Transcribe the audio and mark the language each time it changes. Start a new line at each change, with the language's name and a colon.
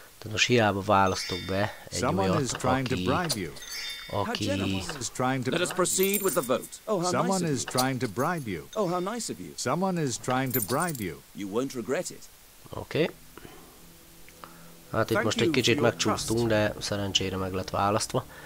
Hungarian: Most hiába választok be egy olyat, aki...
English: Let us proceed with the vote. Oh, how someone nice is trying to bribe you. Oh, how nice of you. Someone is trying to bribe you. You won't regret it. Oké. Okay.
Hungarian: Hát itt most egy kicsit megcsúsztunk, de szerencsére meg lett választva.